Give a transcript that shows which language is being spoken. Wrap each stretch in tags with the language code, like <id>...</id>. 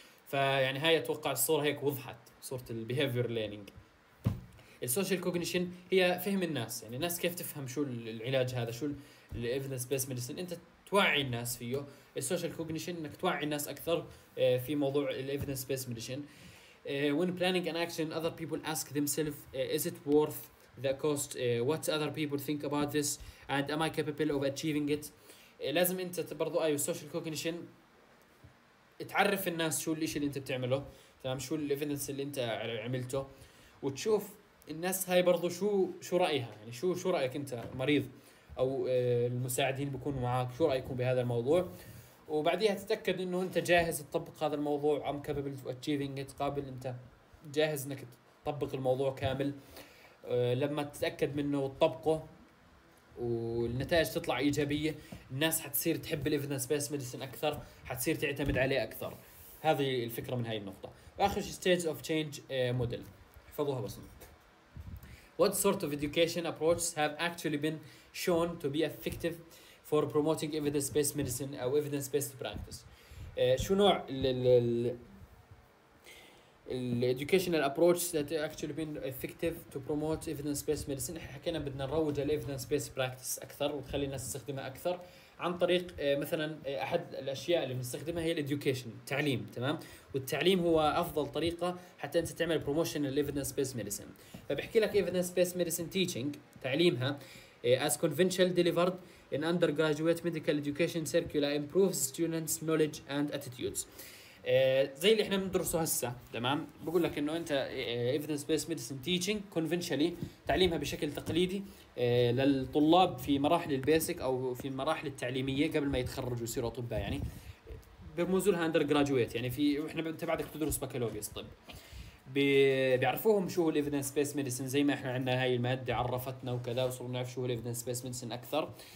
<ar>فيعني هاي اتوقع الصوره هيك وضحت صوره البيهافير ليرنينج. السوشيال كوجنيشن هي فهم الناس يعني الناس كيف تفهم شو العلاج هذا شو الايفيدنس بيس ميديسن، انت توعي الناس فيه. السوشيال كوجنيشن انك توعي الناس اكثر في موضوع الايفيدنس بيس ميديسن.</ar> <en>when planning an action other people ask themselves is it worth the cost what other people think about this and am I capable of achieving it.</en> <ar>لازم انت برضو ايو السوشيال كوجنيشن تعرف الناس شو الاشي اللي انت بتعمله تمام، شو الايفيدنس اللي انت عملته وتشوف الناس هاي برضو شو رايها يعني شو رايك انت مريض او المساعدين بيكونوا معك شو رايكم بهذا الموضوع، وبعديها تتاكد انه انت جاهز تطبق هذا الموضوع</ar> <en>ام كابل اوف اتشيفينج ات،</en> <ar>قابل انت جاهز انك تطبق الموضوع كامل. لما تتاكد منه وتطبقه والنتائج تطلع إيجابية، الناس حتصير تحب الإيفيدنس بيس ميديسن أكثر، حتصير تعتمد عليه أكثر. هذه الفكرة من هاي النقطة. آخر شيء ستيج أوف تشينج موديل، احفظوها بس.</ar> <en>What sort of education approaches have actually been shown to be effective for promoting evidence-based medicine or evidence-based practice؟</en> <ar>شو نوع ال</ar> <en>educational approaches that actually been effective to promote evidence-based medicine؟</en> <ar>إحنا حكينا بدنا نروج على</ar> <en>evidence-based practice</en> <ar>أكثر وتخلي الناس تستخدمها أكثر عن طريق مثلاً أحد الأشياء اللي بنستخدمها هي</ar> <en>education،</en> <ar>تعليم، تمام؟ والتعليم هو أفضل طريقة حتى أنت تعمل</ar> <en>promotion of evidence-based medicine.</en> <ar>فبحكي لك</ar> <en>evidence-based medicine teaching</en> <ar>تعليمها</ar> <en>as conventional delivered in undergraduate medical education circular improves students' knowledge and attitudes.</en> <ar>زي اللي احنا بندرسه هسه، تمام؟ بقول لك انه انت</ar> <en>evidence based medicine teaching conventionally</en> <ar>تعليمها بشكل تقليدي للطلاب في مراحل البيسك او في المراحل التعليميه قبل ما يتخرجوا يصيروا اطباء، يعني بموزولها undergraduate، يعني في احنا انت بعدك تدرس بكالوريوس طب، بيعرفوهم شو هو الايفيدنس بيس ميديسن زي ما احنا عندنا هاي الماده عرفتنا وكذا، وصرنا نعرف شو هو الايفيدنس بيس ميديسن اكثر.</ar>